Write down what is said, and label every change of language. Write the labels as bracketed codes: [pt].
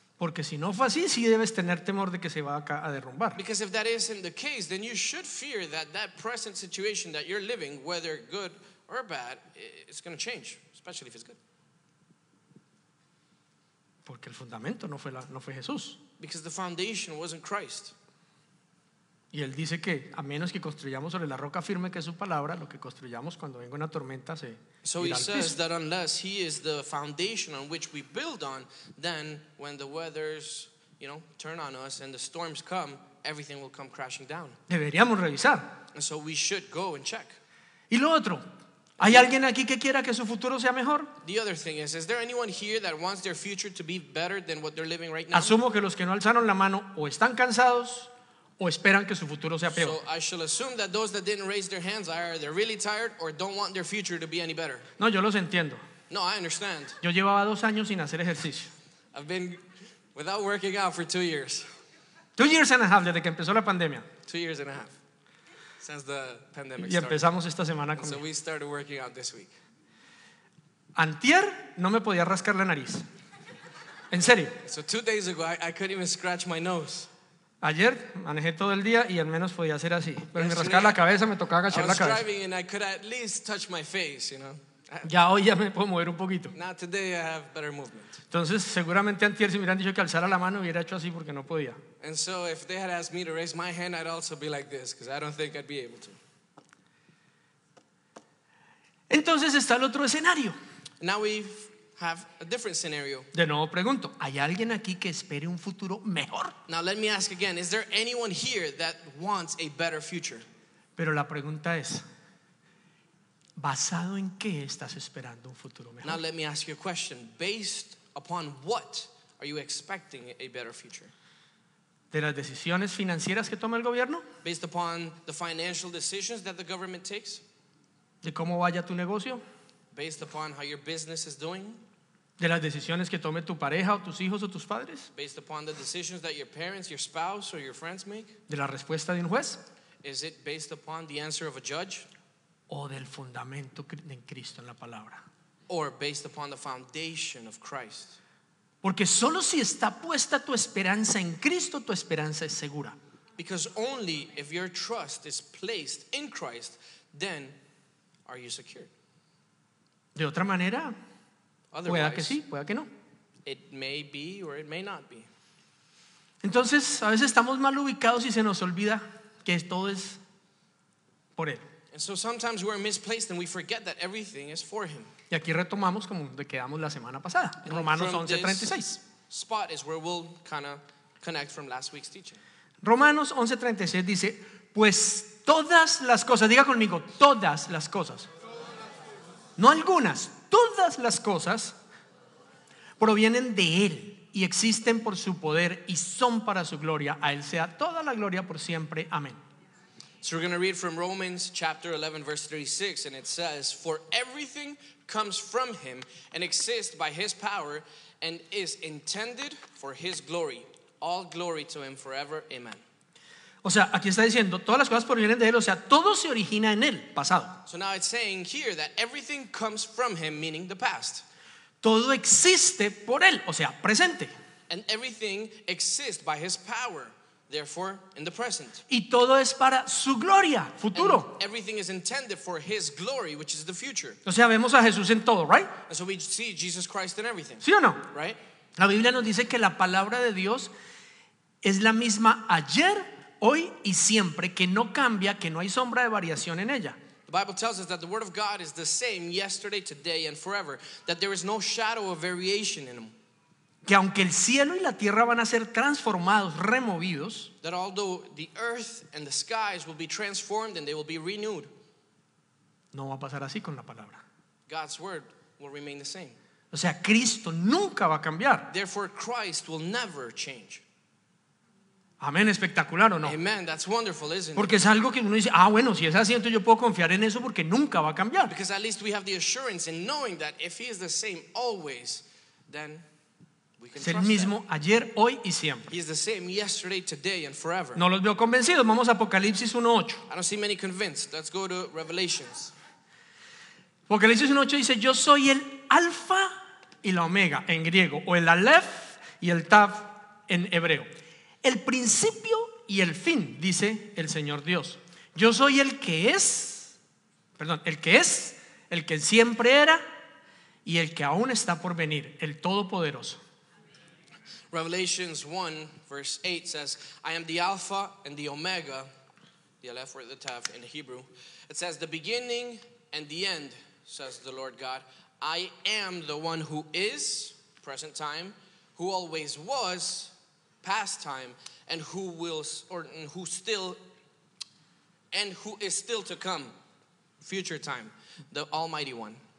[es] Porque si no fue así, sí debes tener temor de que se va acá a derrumbar. [en] Because if that isn't the case, then you should fear that that present situation that you're living, whether good or bad, it's going to change, especially if it's good. [es] Porque el fundamento no fue la, no fue Jesús. [en] Because the foundation wasn't Christ. [es] Y él dice que a menos que construyamos sobre la roca firme que es su palabra, lo que construyamos cuando venga una tormenta se irá. [en] So he says that unless he is the foundation on which we build on, then when the weathers, you know, turn on us and the storms come, everything will come crashing down. [es] Deberíamos revisar. [en] And so we should go and check. [es] Y lo otro. ¿Hay alguien aquí que quiera que su futuro sea mejor? [en] The other thing is there anyone here that wants their future to be better than what they're living right now? [es] Asumo que los que no alzaron la mano o están cansados o esperan que su futuro sea peor. [en] So I shall assume that those that didn't raise their hands are either really tired or don't want their future to be any better. [es] No, yo los entiendo. [en] No, I understand. [es] Yo llevaba 2 años sin hacer ejercicio. [en] I've been without working out for 2 years. 2 years and a half [es] desde que empezó la pandemia. [en] 2 years and a half. Since the pandemic started. [es] Y empezamos esta semana con. [en] So we started working out this week. [es] Antier no me podía rascar la nariz. En serio. [en] So 2 days ago I couldn't even scratch my nose. [es] Ayer manejé todo el día y al menos podía hacer así. Pero yesterday, me rascaba la cabeza, me tocaba agachar la cabeza. [en] I was driving and I could at least touch my face, you know. [es] Ya hoy ya me puedo mover un poquito. [en] Now today I have better movement. [es] Entonces, seguramente antier si me hubieran dicho que alzara la mano, hubiera hecho así porque no podía. [en] And so if they had asked me to raise my hand, I'd also be like this because I don't think I'd be able to. [es] Entonces está el otro escenario. [en] Now we have a different scenario. [es] De nuevo pregunto, ¿hay alguien aquí que espere un futuro mejor? [en] Now let me ask again, is there anyone here that wants a better future? [es] Pero la pregunta es, ¿basado en qué estás esperando un futuro mejor? [en] Now let me ask you a question. Based upon what are you expecting a better future? [es] ¿De las decisiones financieras que toma el gobierno? [en] Based upon the financial decisions that the government takes? [es] ¿De cómo vaya tu negocio? [en] Based upon how your business is doing? [es] ¿De las decisiones que tome tu pareja o tus hijos o tus padres? [en] Based upon the decisions that your parents, your spouse or your friends make? [es] ¿De la respuesta de un juez? [en] Is it based upon the answer of a judge? [es] O del fundamento en Cristo en la palabra. [en] Or based upon the foundation of Christ. [es] Porque solo si está puesta tu esperanza en Cristo, tu esperanza es segura. [en] Because only if your trust is placed in Christ, then are you secure. [es] De otra manera, [en] otherwise, [es] pueda que sí, pueda que no. [en] It may be or it may not be. [es] Entonces, a veces estamos mal ubicados y se nos olvida que todo es por él. [en] And so sometimes we're misplaced and we forget that everything is for him. [es] Y aquí retomamos como donde quedamos la semana pasada, [en] and [es] Romanos 11:36. [en] Spot is where we'll kind of connect from last week's teaching. [es] Romanos 11:36 dice, pues todas las cosas, diga conmigo, todas las cosas. No algunas, todas las cosas provienen de él y existen por su poder y son para su gloria. A él sea toda la gloria por siempre. Amén. [en] So we're going to read from Romans chapter 11 verse 36, and it says, for everything comes from him and exists by his power and is intended for his glory. All glory to him forever. Amen. [es] O sea, aquí está diciendo, todas las cosas provienen de él, o sea, todo se origina en él, pasado. [en] So now it's saying here that everything comes from him, meaning the past. [es] Todo existe por él, o sea, presente. [en] And everything exists by his power. Therefore, in the present. [es] Y todo es para su gloria, futuro. [en] And everything is intended for his glory, which is the future. [es] O sea, vemos a Jesús en todo, right? [en] And so we see Jesus Christ in everything. [es] ¿Sí o no? [en] Right? [es] La Biblia nos dice que la palabra de Dios es la misma ayer, hoy y siempre, que no cambia, que no hay sombra de variación en ella. [en] The Bible tells us that the word of God is the same yesterday, today and forever, that there is no shadow of variation in him. [es] Que aunque el cielo y la tierra van a ser transformados, removidos, [en] that although the earth and the skies will be transformed and they will be renewed, [es] no va a pasar así con la palabra. [en] God's word will remain the same. [es] O sea, Cristo nunca va a cambiar. [en] Therefore, Christ will never change. [es] Amén, espectacular, ¿o no? [en] Amen, that's wonderful, isn't it? [es] Porque es algo que uno dice, ah, bueno, si es así, entonces yo puedo confiar en eso porque nunca va a cambiar. [en] Because at least we have the assurance in knowing that if he is the same always, then [es] es el mismo ayer, hoy y siempre. [en] He is the same yesterday, today and forever. [es] No los veo convencidos. Vamos a Apocalipsis 1:8. [en] I don't see many convinced. Let's go to Revelations. [es] Apocalipsis 1:8 dice, yo soy el alfa y la omega en griego, o el alef y el tav en hebreo. El principio y el fin, dice el Señor Dios. Yo soy el que es, perdón, el que es, el que siempre era y el que aún está por venir, el Todopoderoso. [en] Revelations 1 verse 8 says, I am the Alpha and the Omega, the Aleph or the Tav in Hebrew. It says, the beginning and the end, says the Lord God. I am the one who is, present time, who always was, past time, and who will, or who still, and who is still to come, future time, the Almighty One.